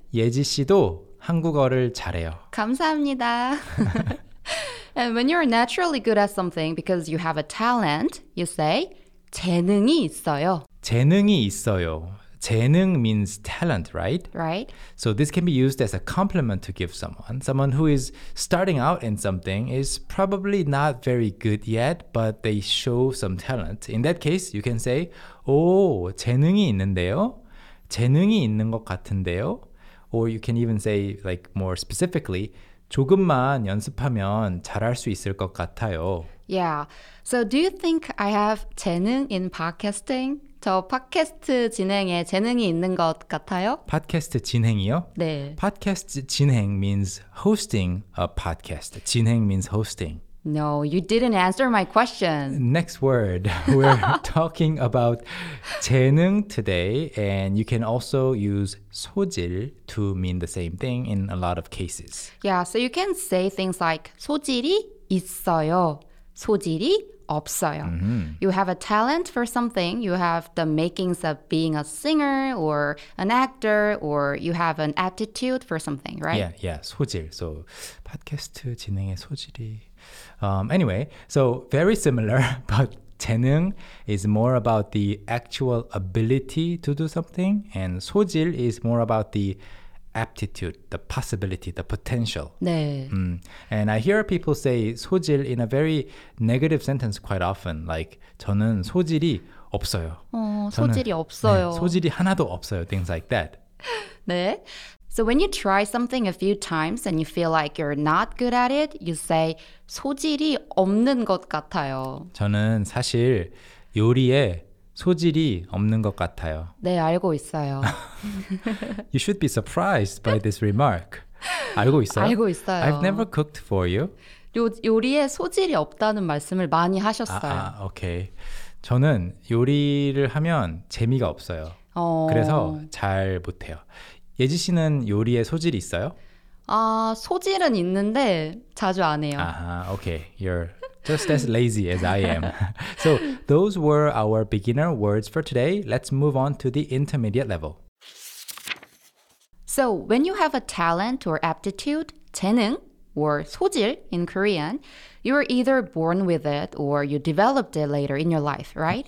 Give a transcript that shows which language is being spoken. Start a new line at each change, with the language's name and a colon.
Korean: 예지 씨도 한국어를 잘해요. 감사합니다.
English: And when you're naturally good at something because you have a talent, you say
Korean: 재능이 있어요. 재능이 있어요. 재능
English: means talent, right? Right. So this can be used as a compliment to give someone. Someone who is starting out in something is probably not very good yet, but they show some talent. In that case, you can say,
Korean: 오, 재능이 있는데요? 재능이 있는 것 같은데요?
English: Or you can even say, like, more specifically,
Korean: 조금만 연습하면 잘할 수 있을 것 같아요.
English: Yeah. So do you think I have 재능 in podcasting?
Korean: 저 팟캐스트 진행에 재능이 있는 것 같아요? 팟캐스트 진행이요? 네.
English: 팟캐스트 진행 means hosting a podcast. 진행 means hosting. No, you didn't answer my question. Next word. We're talking about 재능 today. And you can also use 소질 to mean the same thing in a lot of cases. Yeah, so you can say things like
Korean: 소질이 있어요. 소질이 없어요.
English: Mm-hmm. You have a talent for something. You have the makings of being a singer or an actor, or you have an aptitude for something, right? Yeah, yeah. 소질.
Korean: So, 팟캐스트 진행의 소질이.
English: Anyway, so very similar, but 재능 is more about the actual ability to do something, and 소질 is more about the aptitude, the possibility, the potential.
Korean: 네.
English: And I hear people say 소질 in a very negative sentence quite often, like
Korean: 저는 소질이 없어요. 소질이 없어요. 네, 소질이 하나도 없어요.
English: Things like that.
Korean: 네.
English: So when you try something a few times and you feel like you're not good at it, you say
Korean: 소질이 없는 것 같아요. 저는 사실 요리에 소질이 없는 것 같아요. 네, 알고 있어요.
English: You should be surprised by this remark.
Korean: 알고 있어요? 알고 있어요.
English: I've never cooked for you.
Korean: 요리에 소질이 없다는 말씀을 많이 하셨어요. 오케이. 저는 요리를 하면 재미가 없어요. 그래서 잘 못해요. 예지 씨는 요리에 소질이 있어요? 아, 소질은 있는데 자주 안 해요. 아하, 오케이.
English: You're just as lazy as I am. So those were our beginner words for today. Let's move on to the intermediate level. So when you have a talent or aptitude, 재능 or 소질 in Korean, you are either born with it or you developed it later in your life, right?